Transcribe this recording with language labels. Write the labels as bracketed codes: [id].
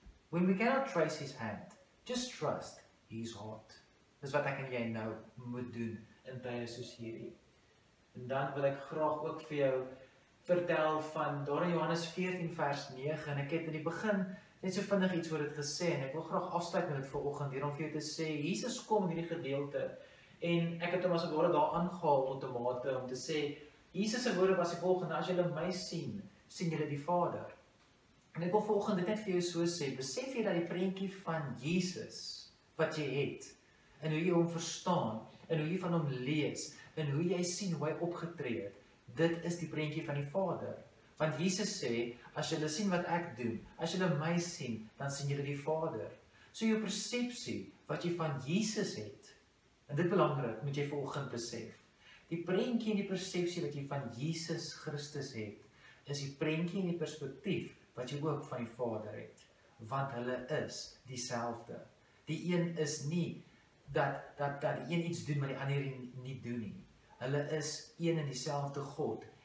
[en] When we cannot trace his hand, just trust his heart. [af] Dit is wat ek en jy nou moet doen in tye soos hierdie. En dan wil ek graag ook vir jou vertel van daar in Johannes 14 vers 9, en ek het in die begin net so vinnig iets word het gesê, en ek wil graag afsluit met het vir oggend hier, om vir jou te sê, Jesus kom in die gedeelte, en ek het hom as woorde daar aangehaal tot die mate, om te sê, Jesus' woorde was die volgende, as julle my sien, sien julle die Vader. En ek wil vir oggend dit net vir jou so sê, besef jy dat die prentjie van Jesus, wat jy het, en hoe jy hom verstaan, en hoe jy van hom lees, en hoe jy sien hoe hy opgetree het, dit is die prentjie van die Vader. Want Jesus sê, as jylle sien wat ek doen, as jylle my sien, dan sien jylle die Vader. So jou persepsie, wat jy van Jesus het, en dit belangrik, moet jy volgend besef. Die prentjie en die persepsie wat jy van Jesus Christus het, is die prentjie en die perspektief wat jy ook van die Vader het. Want hulle is dieselfde. Die een is nie dat die een iets doen, maar die ander nie doen nie. Hulle is een en dieselfde God.